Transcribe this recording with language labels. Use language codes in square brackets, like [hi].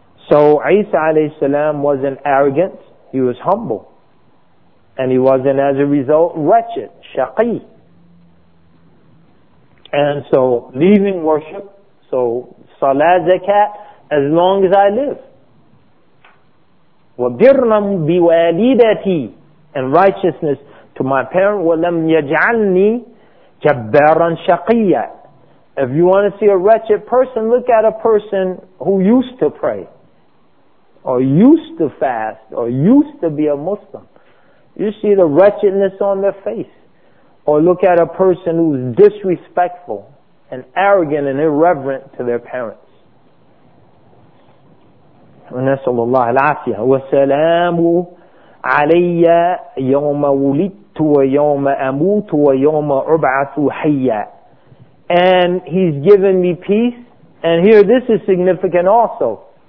[en] So Isa alayhi salam wasn't arrogant, he was humble. And he wasn't, as a result, wretched, shaqi. And so leaving worship, so salat zakat, as long as I live. [ar] وَبِرْنَمْ بِوَالِدَتِي, [en] and righteousness to my parent, [ar] وَلَمْ يَجْعَلْنِي جَبَّارًا شَقِيًّا. [en] If you want to see a wretched person, look at a person who used to pray, or used to fast, or used to be a Muslim. You see the wretchedness on their face. Or look at a person who's disrespectful and arrogant and irreverent to their parents. [ar] وَنَسْأَلُ اللَّهَ الْعَافِيَةَ وَسَلَامُ علي يوم ولدت ويوم أموت ويوم أبعث حيا. [en] And he's given me peace. And here, this is significant also.